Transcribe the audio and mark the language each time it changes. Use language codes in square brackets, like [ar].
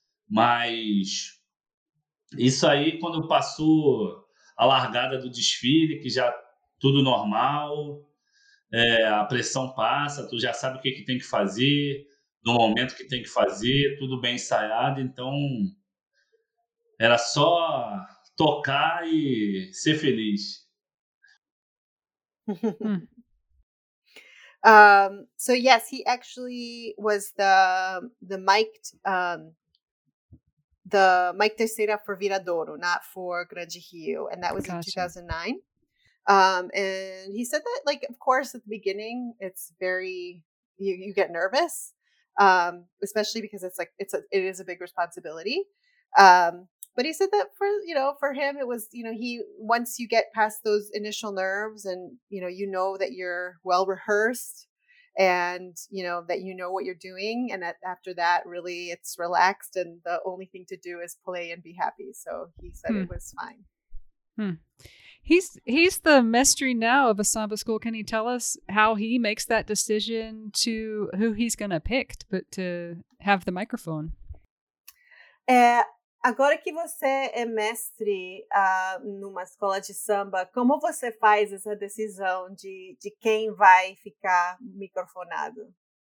[pt] Mas isso aí, quando passou a largada do desfile, que já tudo normal, a pressão passa, tu já sabe o que, que tem que fazer, no momento que tem que fazer, tudo bem ensaiado. Então, era só tocar e ser feliz. [en] So yes, he actually was the mic'd the mic tercera for Viradouro, not for Grande Rio, and that was in 2009. And he said that, like, of course, at the beginning, it's very you get nervous, especially because it's like it is a big responsibility. But he said that for him, it was, you know, he, once you get past those initial nerves and, you know that you're well rehearsed and, you know, that you know what you're doing. And that after that, really, it's relaxed. And the only thing to do is play and be happy. So he said it was fine. Hmm. He's the mestre now of a samba school. Can he tell us how he makes that decision to who he's going to pick, but to have the microphone? [pt] Agora que você é mestre numa escola de samba, como você faz essa decisão de quem vai ficar microfonado?